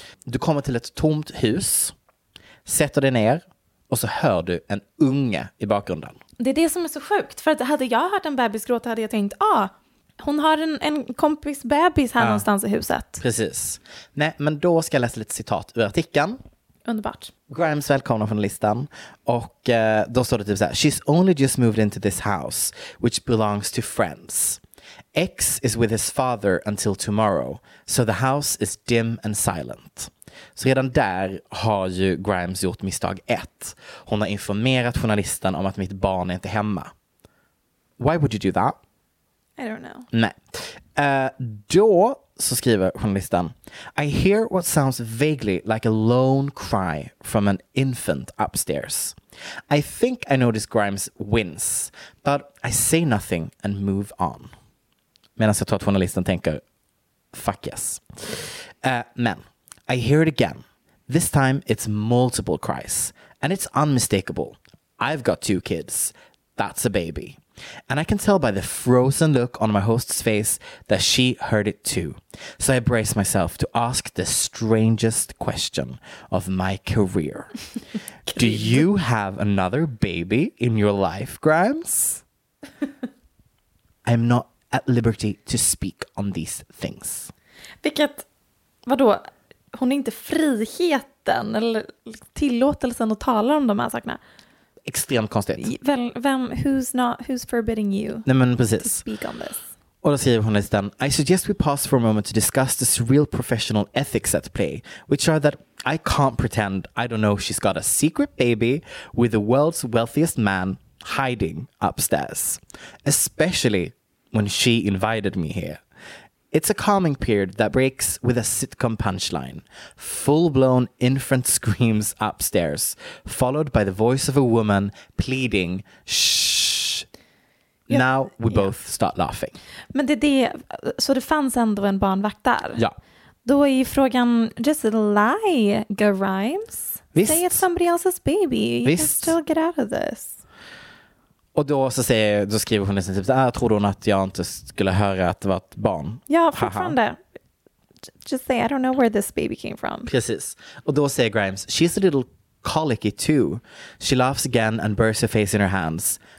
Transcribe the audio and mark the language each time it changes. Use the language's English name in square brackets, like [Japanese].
[Swedish] Du kommer till ett tomt hus, sätter dig ner och så hör du en unge i bakgrunden. Det är det som är så sjukt. För att hade jag hört en bebis gråta hade jag tänkt, hon har en kompis bebis här någonstans i huset. Precis. Nej, men då ska jag läsa lite citat ur artikeln. Underbart. Grimes, välkomna från listan. Och då står det typ så här: [English] she's only just moved into this house, which belongs to friends. X is with his father until tomorrow, so the house is dim and silent. [Swedish] Så redan där har ju Grimes gjort misstag ett. Hon har informerat journalisten om att mitt barn är inte hemma. [English] Why would you do that? I don't know. [Swedish] Nej. Då så skriver journalisten: [English] I hear what sounds vaguely like a lone cry from an infant upstairs. I think I notice Grimes wince, but I say nothing and move on. [Swedish] Medan jag tror att journalisten tänker, [English] fuck yes. Men, I hear it again. This time it's multiple cries. And it's unmistakable. I've got two kids. That's a baby. And I can tell by the frozen look on my host's face that she heard it too. So I brace myself to ask the strangest question of my career. Do you have another baby in your life, Grimes? I'm not at liberty to speak on these things. [Swedish] Vilket, vadå? Hon är inte friheten eller tillåtelsen att tala om de här sakerna. Extremt konstigt. [English] Vem, who's forbidding you? [Swedish] Nej, men precis. [English] To speak on this. [Swedish] Och då säger hon listan: [English] I suggest we pause for a moment to discuss the surreal professional ethics at play, which are that I can't pretend I don't know she's got a secret baby with the world's wealthiest man hiding upstairs. Especially when she invited me here. It's a calming period that breaks with a sitcom punchline. Full-blown infant screams upstairs, followed by the voice of a woman pleading, shh. Ja, now we both start laughing. [Swedish] Men det är det, så det fanns ändå en barnvakt där? Ja. Då är ju frågan, [English] just lie, [Swedish] Grimes. Visst. [English] Say it's somebody else's baby. You [Swedish] Visst. [English] Can still get out of this. [Swedish] Och då så säger, då skriver hon liksom typ, trodde hon att jag inte skulle höra att det var ett barn? Ja, fortfarande. [English] Just say, I don't know where this baby came from. [Swedish] Precis. Och då säger [English] Grimes, she's a little colicky too. She laughs again and bursts her face in her hands.